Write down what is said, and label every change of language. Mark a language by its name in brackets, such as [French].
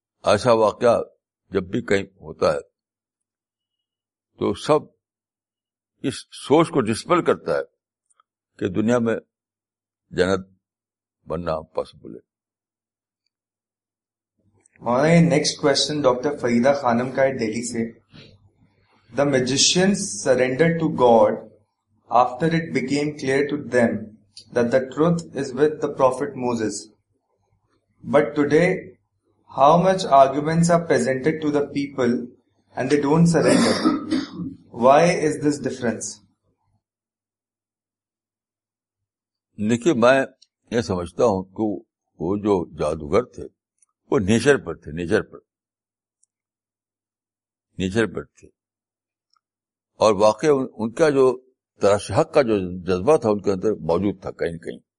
[Urdu] ایسا واقعہ جب بھی کہیں ہوتا ہے تو سب اس سوچ کو ڈسپل کرتا ہے کہ دنیا میں جنت بننا پاسبل ہے. نیکسٹ کوشچن ڈاکٹر فریدہ خانم کا ہے دہلی سے. [English] The magician surrender to God after it became clear to them that the truth is with the prophet Moses, but today how much arguments are presented to the people and they don't surrender, why is this difference? [Urdu] دیکھیے, میں یہ سمجھتا ہوں کہ وہ جو جادوگر تھے وہ نیچر پر تھے اور واقعی ان کا جو ترش حق کا جو جذبہ تھا ان کے اندر موجود تھا کہیں کہیں.